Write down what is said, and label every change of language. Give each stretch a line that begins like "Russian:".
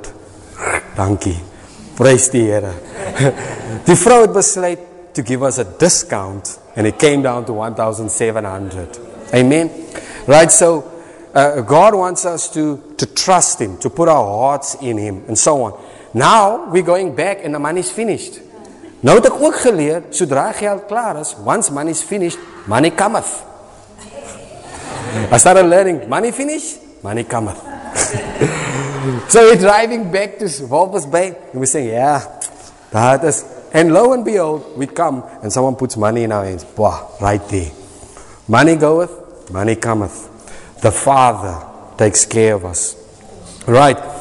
Afrikaans: Dankie.
English: Praise the Here.
Afrikaans: Die vrou het besluit
English: to give us a discount, and it came down to 1,700. Amen. Right, so God wants us to trust Him, to put our hearts in Him, and so on. Now, we're going back, and the money's finished.
Afrikaans: Nou het ek ook geleerd, sodra geld klaar is,
English: once money's finished, money cometh. I started learning, money finished, money cometh. So we're driving back to Walvis Bay, and we're saying, "Yeah, that is." And lo and behold, we come, and someone puts money in our hands. Boah, right there. Money goeth, money cometh. The Father takes care of us. Right.